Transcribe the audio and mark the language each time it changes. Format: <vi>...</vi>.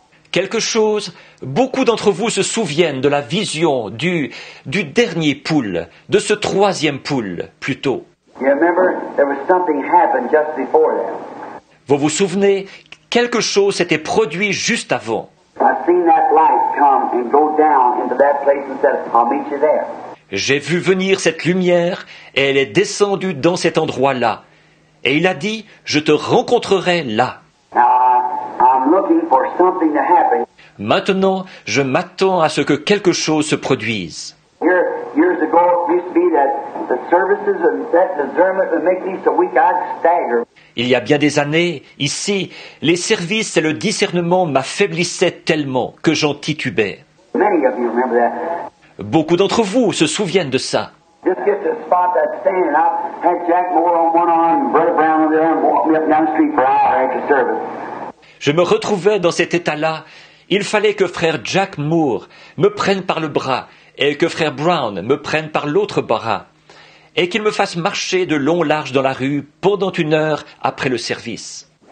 <fr>Quelque chose, beaucoup d'entre vous se souviennent de la vision du dernier pool, de ce troisième pool, plutôt.</fr> <en>You remember, there was something happened just before that.</en> <fr>Vous vous souvenez, quelque chose s'était produit juste avant.</fr> <en>I've seen that light come and go down into that place and said, I'll meet you there.</en> <fr>J'ai vu venir cette lumière et elle est descendue dans cet endroit-là. Et il a dit, je te rencontrerai là.</fr> <en>I'm looking for something to happen.</en> <fr>Maintenant, je m'attends à ce que quelque chose se produise.</fr> <en>Years ago, it used to be that the services of that discernment would make me so weak I'd stagger.</en> <fr>Il y a bien des années, ici, les services et le discernement m'affaiblissaient tellement que j'en titubais.</fr> <en>Many of you remember that.</en> <fr>Beaucoup d'entre vous se souviennent de ça.</fr> <en>Just get to spot that stand. I had Jack Moore on one arm and Brother Brown on the other and walked me up down the street for an hour after service.</en> <fr>Je me retrouvais dans cet état-là. Il fallait que frère Jack Moore me prenne par le bras et que frère Brown me prenne par l'autre bras et qu'il me fasse marcher de long large dans la rue pendant une heure après le service.</fr>